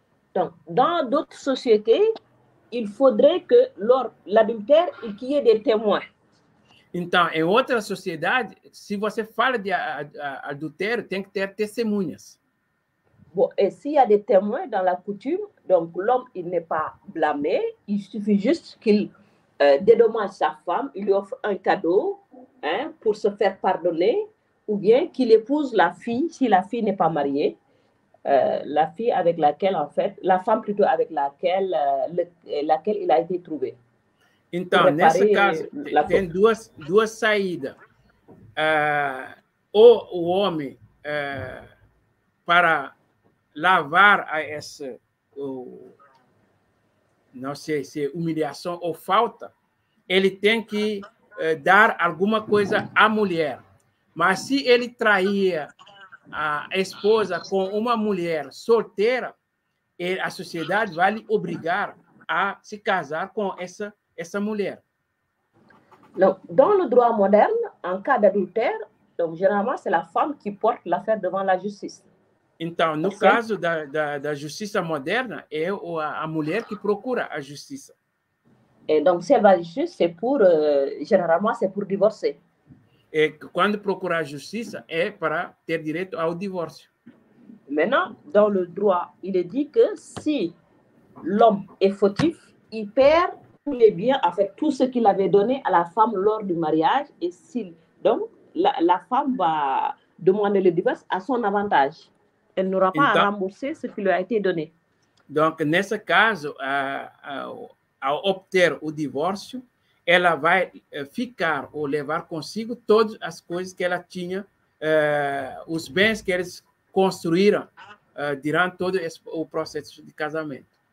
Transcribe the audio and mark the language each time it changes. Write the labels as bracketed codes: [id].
[fr] Então, dans d'autres sociétés, il faudrait que l'adultère e qu'il y ait des témoins. [pt] Então, em outra sociedade, se você fala de adultério, tem que ter testemunhas. Bom, e se há [fr] des témoins dans la coutume, donc l'homme il n'est pas blâmé, il suffit juste qu'il dédommage sa femme, il lui offre un cadeau, hein, pour se faire pardonner, ou bien qu'il épouse la fille, si la fille n'est pas mariée, la fille avec laquelle, en fait, la femme plutôt avec laquelle il a été trouvé. [pt] Então, nesse caso, tem duas saídas. Ou o homem, para lavar essa, não sei se humilhação ou falta, ele tem que dar alguma coisa à mulher. Mas se ele traía a esposa com uma mulher solteira, a sociedade vai lhe obrigar a se casar com essa mulher. [fr] Donc, dans le droit moderne, en cas d'adultère, donc généralement c'est la femme qui porte l'affaire devant la justice. [pt] Então, no caso da justiça moderna, é a mulher que procura a justiça. [fr] Et donc si elle va à la justice, c'est pour généralement c'est pour divorcer. Et quand [pt] procurar a justiça é para ter direito ao divórcio. [fr] Maintenant, dans le droit, il est dit que si l'homme est fautif, il perd tous les biens, en fait, tout ce qu'il avait donné à la femme lors du mariage, et si donc la femme va demander le divorce à son avantage, elle n'aura pas à rembourser ce qui lui a été donné. [pt] Donc, nesse caso, ao obter o divórcio, ela vai ficar ou levar consigo todas as coisas que ela tinha, os bens que eles construíram durante todo o processo de casamento.